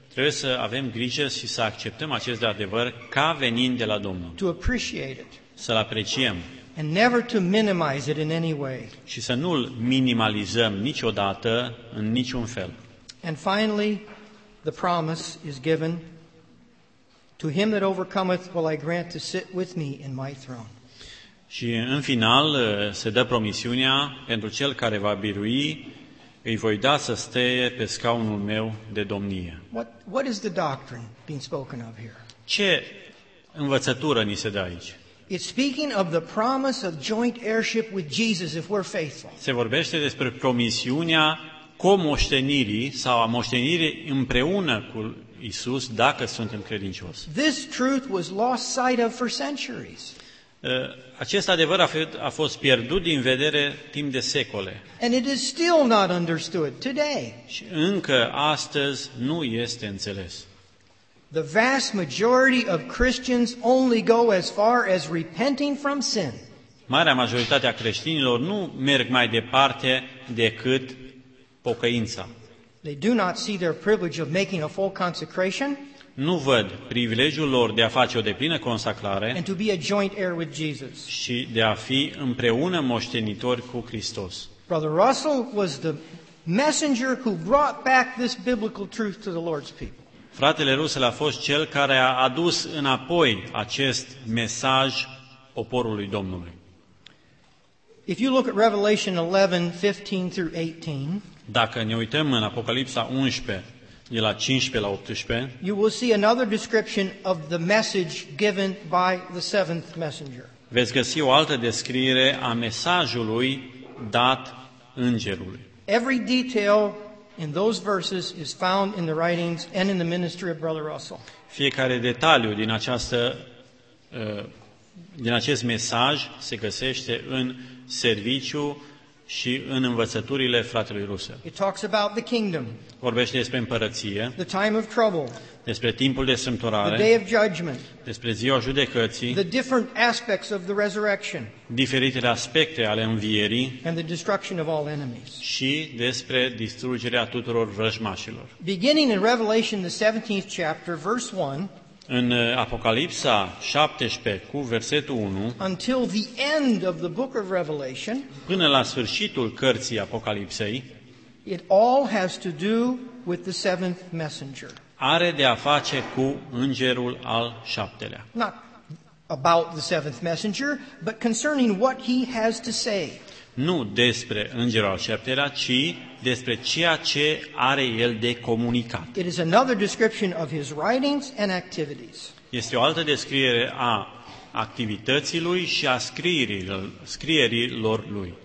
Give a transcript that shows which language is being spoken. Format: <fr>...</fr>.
<ro>Trebuie să avem grijă și să acceptăm acest adevăr ca venind de la Domnul.</ro> <en>To appreciate it.</en> <ro>Să-l apreciem.</ro> <en>And never to minimize it in any way.</en> <ro>Și să nu-l minimalizăm niciodată în niciun fel.</ro> <en>And finally, the promise is given, to him that overcometh will I grant to sit with me in my throne.</en> <ro>Și în final se dă promisiunea, pentru cel care va birui, îi voi da să stea pe scaunul meu de domnie.</ro> <en>What is the doctrine being spoken of here?</en> <ro>Ce învățătură ni se dă aici?</ro> <en>It's speaking of the promise of joint heirship with Jesus if we're faithful.</en> <ro>Se vorbește despre promisiunea comoștenirii sau a moștenirii împreună cu Isus dacă suntem credincioși.</ro> <en>This truth was lost sight of for centuries.</en> <ro>Acest adevăr a fost pierdut din vedere timp de secole.</ro> <en>And it is still not understood today.</en> <ro>Și încă astăzi nu este înțeles.</ro> <en>The vast majority of Christians only go as far as repenting from sin.</en> <ro>Marea majoritate a creștinilor nu merg mai departe decât pocăința.</ro> <en>They do not see their privilege of making a full consecration.</en> <ro>Nu văd privilegiul lor de a face o deplină consacrare.</ro> <en>And to be a joint heir with Jesus.</en> <ro>Și de a fi împreună moștenitori cu Hristos.</ro> <en>Brother Russell was the messenger who brought back this biblical truth to the Lord's people.</en> <ro>Fratele Russell a fost cel care a adus înapoi acest mesaj poporului Domnului.</ro> <en>If you look at Revelation 11:15 through 18,</en> <ro>dacă ne uităm în Apocalipsa 11, de la 15 la 18,</ro> <en>you will see another description of the message given by the seventh messenger.</en> <ro>Veți găsi o altă descriere a mesajului dat îngerului.</ro> <en>Every detail in those verses is found in the writings and in the ministry of Brother Russell.</en> <ro>Fiecare detaliu din acest mesaj se găsește în serviciu și în învățăturile fratelui Russell.</ro> <en>It talks about the kingdom.</en> <ro>Vorbește despre împărăție.</ro> <en>The time of trouble.</en> <ro>Despre timpul de strâmtorare.</ro> <en>The day of judgment.</en> <ro>Despre ziua judecății.</ro> <en>The different aspects of the resurrection.</en> <ro>Diferitele aspecte ale învierii.</ro> <en>And the destruction of all enemies.</en> <ro>Și despre distrugerea tuturor vrăjmașilor.</ro> <en>Beginning in Revelation the 17th chapter verse 1.</en> <ro>În Apocalipsa 17 cu versetul 1.</ro> <en>Until the end of the book of Revelation.</en> <ro>Până la sfârșitul cărții Apocalipsei.</ro> <en>It all has to do with the seventh messenger.</en> <ro>Are de a face cu îngerul al șaptelea.</ro> <en>Not about the seventh messenger, but concerning what he has to say.</en> <ro>Nu despre îngerul al șaptelea, ci despre ceea ce are el de comunicat.</ro> <en>It is another description of his writings and activities.</en> <ro>Este o altă descriere a activității lui și a scrierilor lui.</ro>